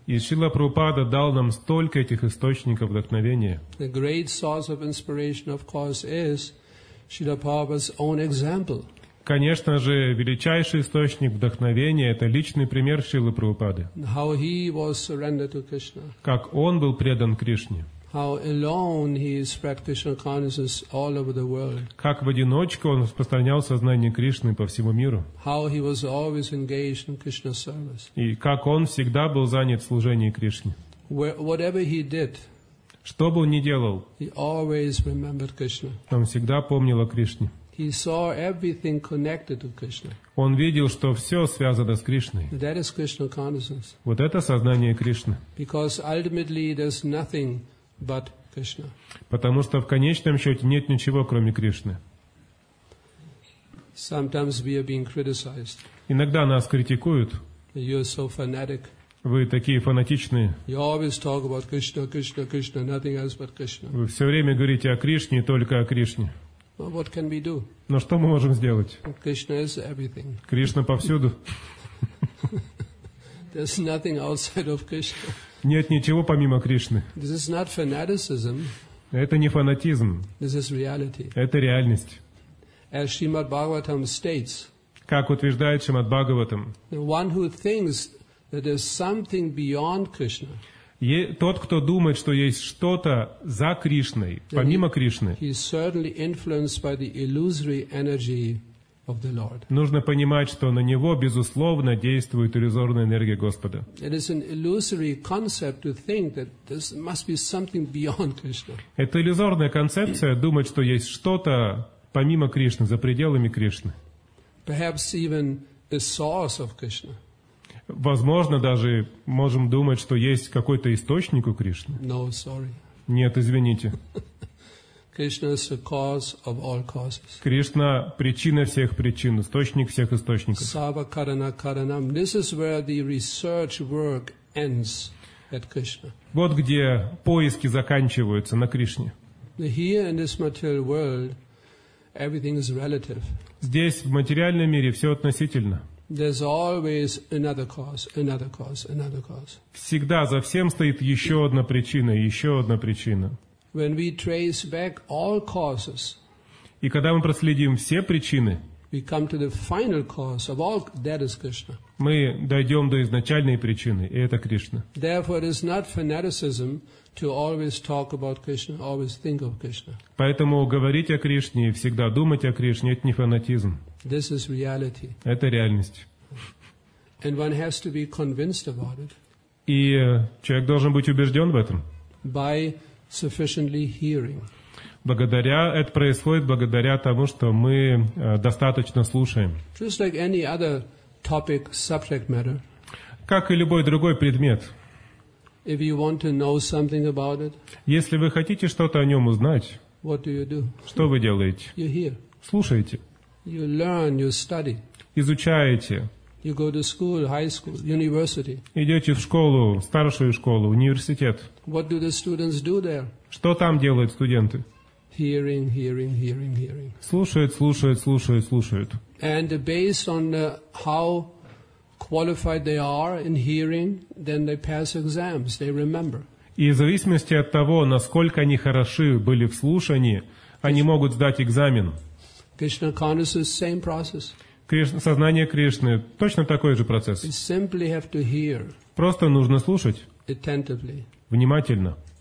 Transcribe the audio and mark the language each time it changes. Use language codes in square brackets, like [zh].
[ru] И Шрила Прабхупада дал нам столько этих источников вдохновения. [en] The great source of inspiration, of course, is Srila Prabhupada's own example. [ru] Конечно же, величайший источник вдохновения – это личный пример Шрилы Прабхупады. [en] How he was surrendered to Krishna. [ru] Как он был предан Кришне. [en] How alone he spread Krishna consciousness all over the world. [ru] Как в одиночку он распространял сознание Кришны по всему миру. [en] How he was always engaged in Krishna service. [ru] И как он всегда был занят служением Кришне. [en] Whatever he did. [ru] Что бы он ни делал. [en] He always remembered Krishna. [ru] Он всегда помнил о Кришне. [en] He saw everything connected to Krishna. [ru] Он видел, что все связано с Кришной. [en] That is Krishna consciousness. [ru] Вот это сознание Кришны. [en] Because ultimately there's nothing but Krishna. [ru] Потому что в конечном счете нет ничего, кроме Кришны. [en] Sometimes we are being criticized. [ru] Иногда нас критикуют. [en] You are so fanatic. [ru] Вы такие фанатичные. [en] You always talk about Krishna, Krishna, Krishna, nothing else but Krishna. [ru] Вы все время говорите о Кришне и только о Кришне. [en] Well, what can we do? [ru] Но что мы можем сделать? [en] Krishna is everything. [ru] Кришна повсюду. [en] There's nothing outside of Krishna. [ru] Нет ничего помимо Кришны. [en] This is not fanaticism. [ru] Это не фанатизм. [en] This is reality. [ru] Это реальность. [en] As Shrimad Bhagavatam states, [ru] как утверждает Шримад Бхагаватам, [en] one who thinks that there's something beyond Krishna, [ru] тот, кто думает, что есть что-то за Кришной, помимо Кришны, [en] he is certainly influenced by the illusory energy of the Lord. [ru] Нужно понимать, что на него безусловно действует иллюзорная энергия Господа. [en] It is an illusory concept to think that there must be something beyond Krishna. [ru] Это иллюзорная концепция думать, что есть что-то помимо Кришны, за пределами Кришны. [en] Perhaps even a source of Krishna. [ru] Возможно, даже можем думать, что есть какой-то источник у Кришны. [en] No, sorry. [ru] Нет, извините. [en] Krishna is the cause of all causes. [ru] Кришна – причина всех причин, источник всех источников. [sa] Сава карана каранам. [en] This is where the research work ends at Krishna. [ru] Вот где поиски заканчиваются на Кришне. [en] Here in this material world, everything is relative. [ru] Здесь, в материальном мире, все относительно. [en] There's always another cause, another cause, another cause. [ru] Всегда за всем стоит еще одна причина, еще одна причина. [en] When we trace back all causes, [ru] и когда мы проследим все причины, [en] we come to the final cause of all, that is Krishna. [ru] Мы дойдем до изначальной причины, и это Кришна. [en] Therefore, it is not fanaticism to always talk about Krishna, always think of Krishna. [ru] Поэтому говорить о Кришне и всегда думать о Кришне – это не фанатизм. [en] This is reality. [ru] Это реальность. [en] And one has to be convinced about it. [ru] И человек должен быть убежден в этом. [en] By sufficiently hearing. [ru] Благодаря, это происходит благодаря тому, что мы достаточно слушаем. [en] Just like any other topic, subject matter. [ru] Как и любой другой предмет. [en] If you want to know something about it. [ru] Если вы хотите что-то о нем узнать. [en] What do you do? [ru] Что вы делаете? [en] You hear. [ru] Слушаете. [en] You learn, you study. [ru] Изучаете. [en] You go to school, high school, university. [ru] Идете в школу, старшую школу, университет. [en] What do the students do there? [ru] Что там делают студенты? [en] Hearing, hearing, hearing, hearing. [ru] Слушают, слушают, слушают, слушают. [en] And based on how qualified they are in hearing, then they pass exams, they remember. [ru] И в зависимости от того, насколько они хороши были в слушании, они могут сдать экзамен. [en] Krishna consciousness, same process. [ru] Сознание Кришны – точно такой же процесс. Просто нужно слушать внимательно.